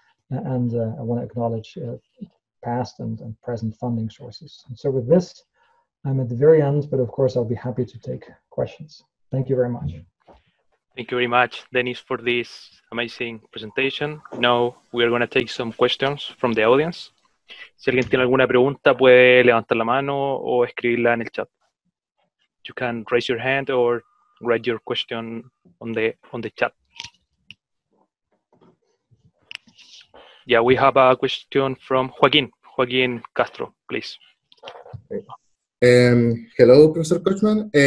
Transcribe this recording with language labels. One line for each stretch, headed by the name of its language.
English: And I want to acknowledge past and present funding sources. And so with this, I'm at the very end, but of course I'll be happy to take questions. Thank you very much. Thank you very much, Dennis, for this amazing presentation. Now we are going to take some questions from the audience.
Spanish: Si alguien tiene alguna pregunta, puede levantar la mano o escribirla en el chat.
English: You can raise your hand or write your question on the chat. Yeah, we have a question from Joaquin Castro, please. Hello, Professor Kochmann.